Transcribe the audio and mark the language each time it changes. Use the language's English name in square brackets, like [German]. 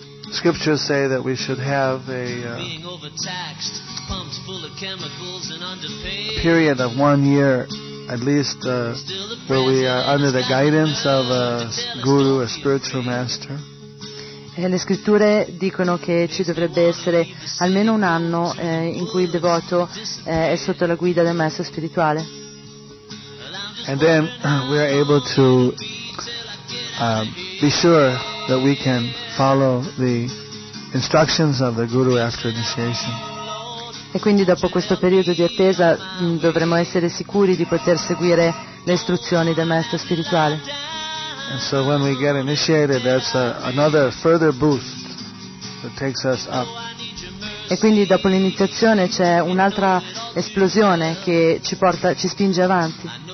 [English] Scriptures say that we should have being overtaxed, pumps full of chemicals and underpaid. A period of 1 year, at least, where we are under the guidance of a guru, a spiritual master. [Italian] E le scritture dicono che ci dovrebbe essere almeno un anno in cui il devoto è sotto la guida del maestro spirituale. [English] And then we are able to be sure that we can follow the instructions of the guru after initiation. [Italian] E quindi dopo questo periodo di attesa dovremo essere sicuri di poter seguire le istruzioni del maestro spirituale. [English] And so when we get initiated, that's another further boost that takes us up. [Italian] E quindi dopo l'iniziazione c'è un'altra esplosione che ci porta, ci spinge avanti.